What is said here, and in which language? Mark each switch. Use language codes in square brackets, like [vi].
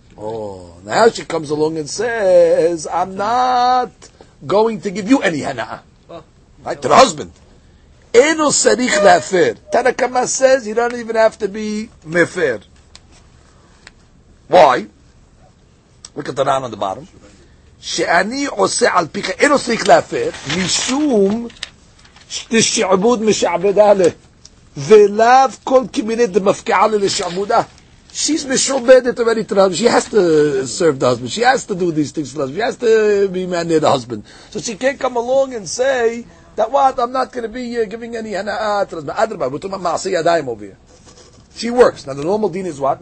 [en] Oh, now she comes along and says, I'm not going to give you any hana'ah. Right, to the husband. [he] Eno sarich lafer. [en] Tanakama says, you don't even have to be mefer. Why? Look at the Ran on the bottom. [he] שאני עושה על פיך, אין עושה להפר, משום שתשעבוד משעבדה לה, [arc] ולאו כל כמיני דמפקעה לה לשעבודה. [en] She's משעבדת already to the husband. She has to serve the husband. She has to do these things to the husband. She has to be man near the husband. So she can't come along and say that what, I'm not going to be giving any hana'ah to the husband. Adrabah, we're talking about ma'asei yadayim over here. She works. Now the normal deen is what?